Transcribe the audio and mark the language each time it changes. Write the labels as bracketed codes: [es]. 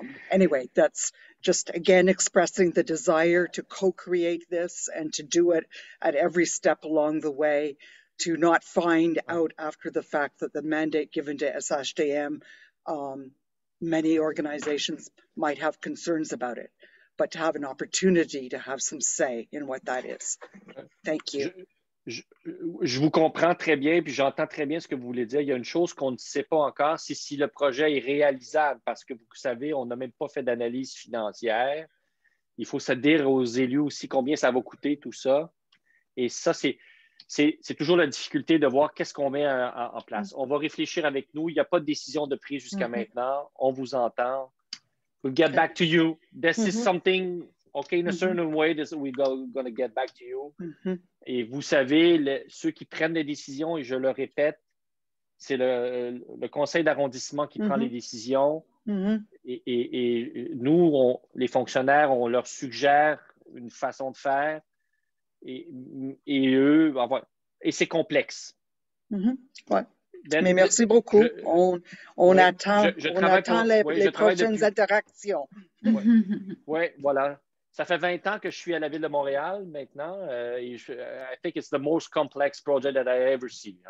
[en] Anyway, that's just, again, expressing the desire to co-create this and to do it at every step along the way to not find out after the fact that the mandate given to SHDM, many organizations might have concerns about it, but to have an opportunity to have some say in what that is. Thank you. [fr] Je vous comprends très bien, puis j'entends très bien ce que vous voulez dire. Il y a une chose qu'on ne sait pas encore, c'est si le projet est réalisable, parce que vous savez, on n'a même pas fait d'analyse financière. Il faut se dire aux élus aussi combien ça va coûter, tout ça. Et ça, c'est toujours la difficulté de voir qu'est-ce qu'on met en place. On va réfléchir avec nous. Il n'y a pas de décision de prise jusqu'à maintenant. On vous entend. [en] We'll get back to you. This is something... OK, in a certain way, this, we're going to get back to you. [fr] Et vous savez, ceux qui prennent les décisions, et je le répète, c'est le conseil d'arrondissement qui prend les décisions. Et nous, les fonctionnaires, on leur suggère une façon de faire. Et eux, enfin, et c'est complexe. Ouais. Mais merci beaucoup. On attend les prochaines interactions. Oui, voilà. Ça fait 20 ans que je suis à la ville de Montréal maintenant. [en] I think it's the most complex project that I ever see.